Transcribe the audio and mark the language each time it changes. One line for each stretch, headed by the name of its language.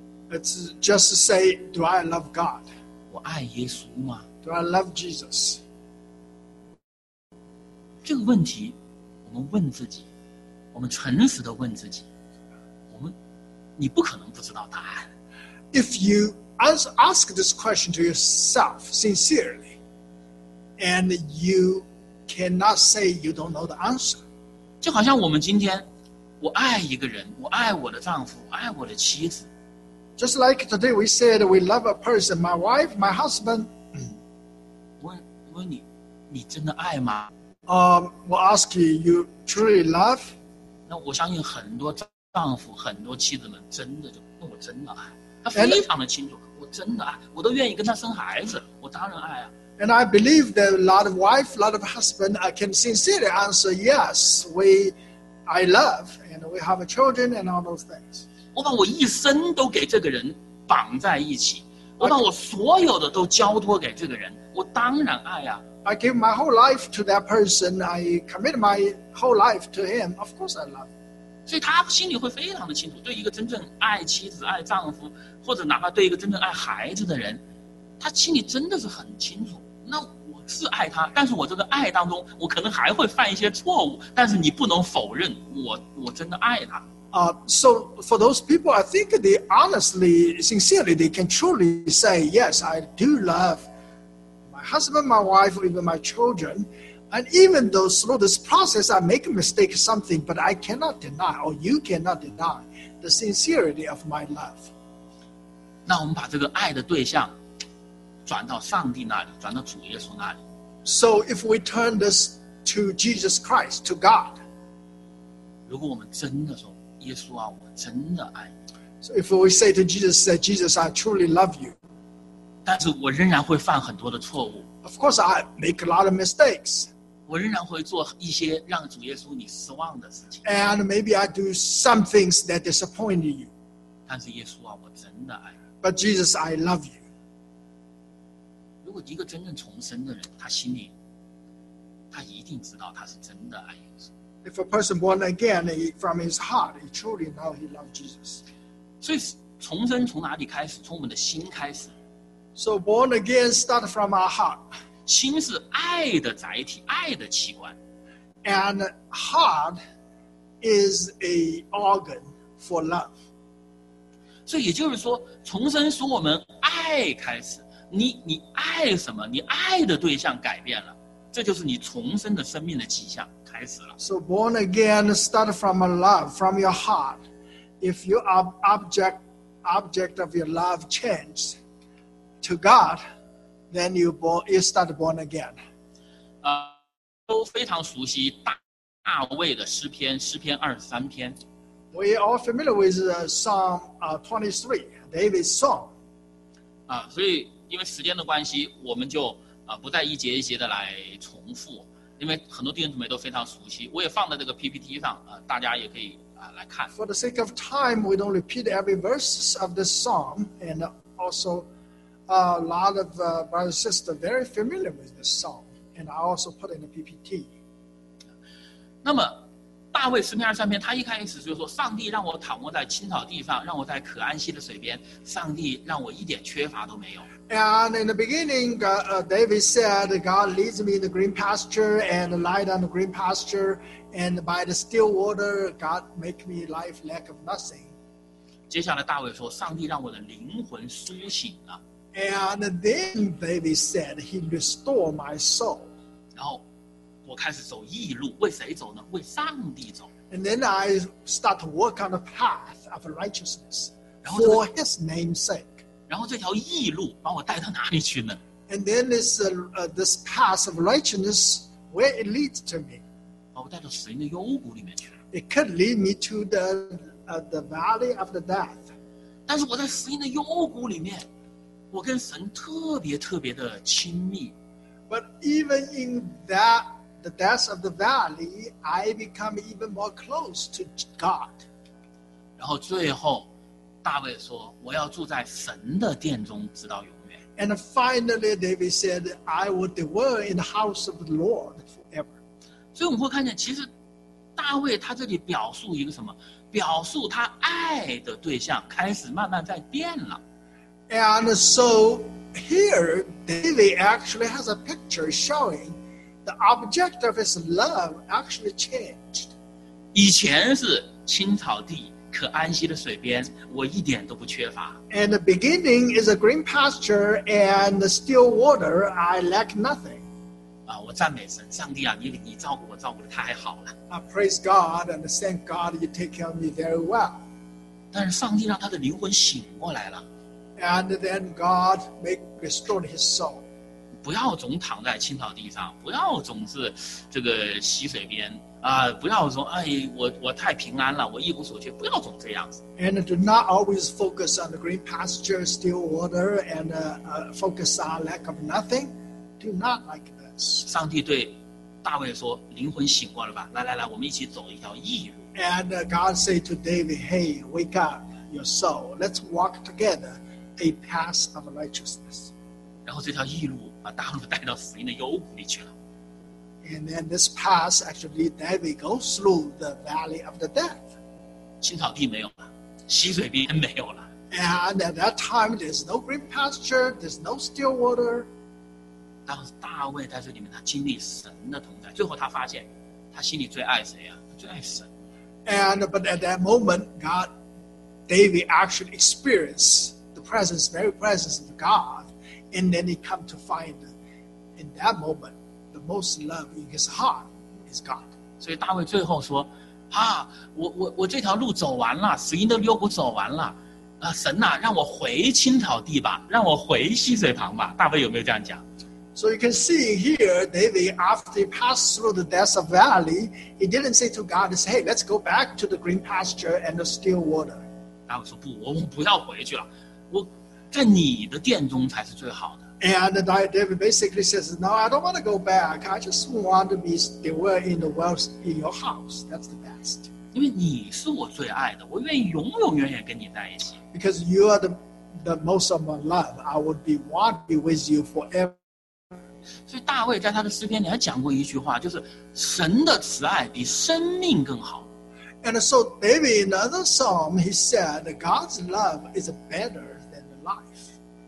English: It's just to say, do I love God?
Chinese: 我爱耶稣吗？
English: Do I love Jesus?
Chinese: 这个问题，我们问自己，我们诚实的问自己，你不可能不知道答案。
English: If you ask this question to yourself sincerely, and you cannot say you don't know the answer.
Chinese: 就好像我们今天，我爱一个人，我爱我的丈夫，我爱我的妻子。
English: Just like today we said we love a person, my wife, my husband.
Chinese: 问你，你真的爱吗？我
English: ask you, you truly love?
Chinese: 那我相信很多丈夫，很多妻子们真的就问我真的爱。他非常的清楚
English: and,
Chinese: 我真的爱，我都愿意跟他生孩子，我当然爱啊。
English: And I believe that a lot of wife, a lot of husband, I can sincerely answer yes, I love, and we have children and all those things.
Chinese: 我把我一生都给这个人绑在一起，我把我所有的都交托给这个人，我当然爱啊。
English: I give my whole life to that person, I commit my whole life to him, of course I love.
Chinese: 所以他心里会非常的清楚，对一个真正爱妻子、爱丈夫，或者哪怕对一个真正爱孩子的人，他心里真的是很清楚，那我是爱他，但是我这个爱当中，我可能还会犯一些错误，但是你不能否认我真的爱他。
English: So for those people, I think they honestly, sincerely, they can truly say, yes, I do love my husband, my wife, even my children. And even though through this process, I make a mistake or something, but I cannot deny, or you cannot deny, the sincerity of my love.
Chinese: 那我们把这个爱的对象转到上帝那里，转到主耶稣那里。
English: So if we turn this to Jesus Christ, to God.
Chinese: 如果我们真的说，耶稣啊，我真的爱你。
English: So if we say to Jesus, say, Jesus, I truly love you.
Chinese: 但是我仍然会犯很多的错误。
English: Of course, I make a lot of mistakes.
Chinese: 我仍然会做一些让主耶稣你失望的事情。
English: And maybe I do some things that disappoint you.
Chinese: 但是耶稣啊，我真的爱你。
English: But Jesus, I love you.
Chinese: 一个真正重生的人，他心里，他一定知道他是真的爱耶稣。
English: If a person born again from his heart, he truly know he loves Jesus.
Chinese: 所以重生从哪里开始？从我们的心开始。
English: So born again start from our heart.
Chinese: 心是爱的载体，爱的器官。
English: And heart is a organ for love.
Chinese: 所以也就是说，重生从我们爱开始。你爱什么？你爱的对象改变了，这就是你重生的生命的迹象开始了。
English: So born again, start from a love from your heart. If your object of your love changes to God, then you start born again.
Chinese: 都非常熟悉大卫的诗篇，诗篇二十三篇。
English: We are all familiar with the Psalm 23, David's song.
Chinese: 所以。因为时间的关系，我们就不再一节一节的来重复，因为很多弟兄姊妹都非常熟悉，我也放在这个 PPT 上，大家也可以来看。
English: For the sake of time, we don't repeat every verse of this psalm, and also a lot of brothers and sisters very familiar with this psalm, and I also put in the PPT.
Chinese: 那么，大卫诗篇二十三篇，他一开始就说：“上帝让我躺卧在青草地上，让我在可安息的水边，上帝让我一点缺乏都没有。”
English: And in the beginning, David said, God leads me in the green pasture and lie down the green pasture, and by the still water, God make me life lack of nothing.
Chinese: 接下来大卫说，上帝让我的灵魂苏醒了。
English: And then David said, he restored my soul.
Chinese: 然后我开始走义路，为谁走呢？为上帝走。
English: And then I start to walk on the path of righteousness for his name's sake.
Chinese: 然后这条义路把我带到哪里去呢
English: ？And then this this path of righteousness, where it leads to me?
Chinese: 把我带到死荫的幽谷里面去了。
English: It could lead me to the valley of the death.
Chinese: 但是我在死荫的幽谷里面，我跟神特别特别的亲密。
English: But even in that the depths of the valley, I become even more close to God.
Chinese: 然后最后。大卫说：“我要住在神的殿中，直到永远。”
English: And finally, David said, "I will dwell in the house of the Lord forever."
Chinese: 所以我们会看见，其实大卫他这里表述一个什么？表述他爱的对象开始慢慢在变了。
English: And so here, David actually has a picture showing the object of his love actually changed.
Chinese: 以前是青草地。可安息的水边，我一点都不缺乏。
English: And the beginning is a green pasture and the still water, I lack nothing.
Chinese: 啊，我赞美神，上帝啊，你照顾我，照顾得太好了。
English: I praise God and thank God you take care of me very well.
Chinese: 但是上帝让他的灵魂醒过来了。
English: And then God make restored his soul.
Chinese: 不要总躺在青草地上，不要总是这个洗水边啊！不要说哎，我太平安了，我一无所缺，不要总这样子。
English: And do not always focus on the green pasture, still water, and focus on lack of nothing. Do not like this.
Chinese: 上帝对大卫说：“灵魂醒过了吧？来来来，我们一起走一条义路。
English: ”And God say to David, "Hey, wake up your soul. Let's walk together. A path of righteousness.
Chinese: 然后这条义路把大卫带到死荫的幽谷里去了。
English: And then this path actually David goes through the valley of the death.
Chinese: 青草地没有了，溪水边没有了。
English: And at that time there's no green pasture, there's no still water.
Chinese: 当大卫在这里面，他经历神的同在，最后他发现，他心里最爱谁呀？他最爱神。
English: And but at that moment, God, David actually experienced. Presence, very presence of God, and then he come to find, in that moment, the most love in his heart is God.
Chinese: 所以大卫最后说，啊，我这条路走完了，死荫的幽谷走完了，啊，神呐、啊，让我回青草地吧，让我回溪水旁吧。大卫有没有这样讲
English: ？So you can see here, David, after he passed through the Death of Valley, he didn't say to God, "Hey, let's go back to the green pasture and the still water."
Chinese: 大卫说不，我不要回去了。我在你的殿中才是最好的。
English: And David basically says, "No, I don't want to go back. I just want to be still in the wealth in your house. That's the best."
Chinese: 因为你是我最爱的，我愿意永永远远跟你在一起。
English: Because you are the most of my love, I would be want to be with you forever.
Chinese: 所以大卫在他的诗篇里还讲过一句话，就是神的慈爱比生命更好。
English: And so, maybe in another psalm, he said, "God's love is better than life."